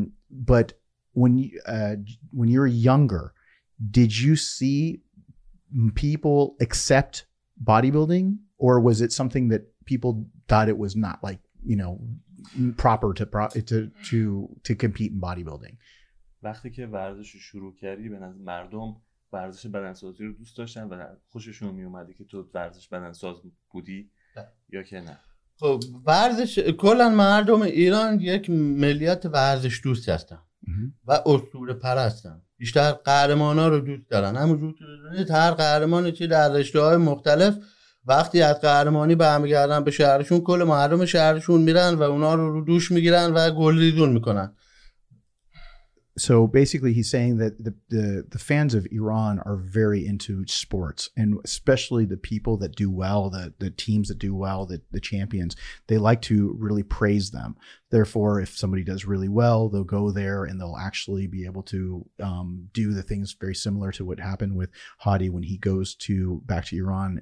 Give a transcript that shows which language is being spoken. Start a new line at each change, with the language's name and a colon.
English: But when you were younger, did you see people accept bodybuilding, or was it something that people thought it was not like, you know, proper to compete in bodybuilding?
Persian: وقتی که ورزش شروع کردی به نظر مردم ورزش بدنسازی رو دوست داشتن و خوششون می اومدی که تو ورزش بدنساز بودی یا که نه؟ خب ورزش کلا مردم ایران یک ملیت ورزش دوست هستن و اسطوره پرستن، بیشتر قهرمان ها رو دوست دارن. همونجور که بدونید هر قهرمانی که در رشته های مختلف وقتی از قهرمانی برمیگردن به شهرشون، کل مردم شهرشون میرن و اونا رو دوش میگیرن و گلریزون میکنن.
English: So basically he's saying that the fans of Iran are very into sports, and especially the people that do well, the teams that do well, the champions, they like to really praise them. Therefore, if somebody does really well, they'll go there and they'll actually be able to do the things very similar to what happened with Hadi when he goes to back to Iran.